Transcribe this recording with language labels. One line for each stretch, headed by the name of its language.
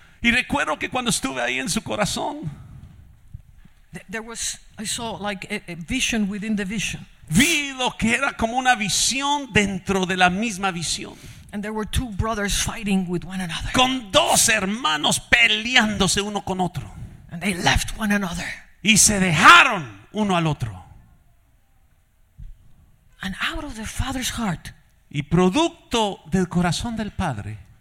Spanish: Y recuerdo que cuando estuve ahí en su corazón.
English: There was, I saw like a vision within the vision.
Spanish: Vi lo que era como una visión dentro de la misma visión.
English: And there were two brothers fighting with one another.
Spanish: Con dos hermanos peleándose uno con otro.
English: And they left one another.
Spanish: Y se dejaron uno al otro.
English: And out of the Father's heart.
Spanish: Y producto del corazón del Padre.